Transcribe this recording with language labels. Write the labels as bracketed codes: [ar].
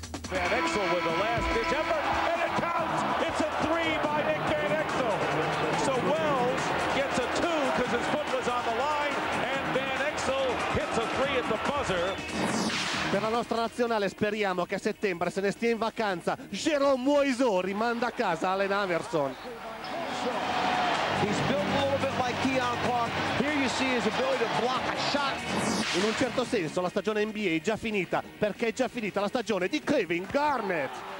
[en] Van Exel with the last ditch effort, and it counts! It's a three by Nick Van Exel! So Wells gets a two because his foot was on the line, and Van Exel hits a three at the buzzer. [it] Per la nostra nazionale speriamo che a settembre se ne stia in vacanza. Jerome Moiseau rimanda a casa Allen Iverson. [en] He's built a little bit like Keon Clark. Here you see his ability to block a shot. [it] In un certo senso la stagione NBA è già finita, perché è già finita la stagione di Kevin Garnett.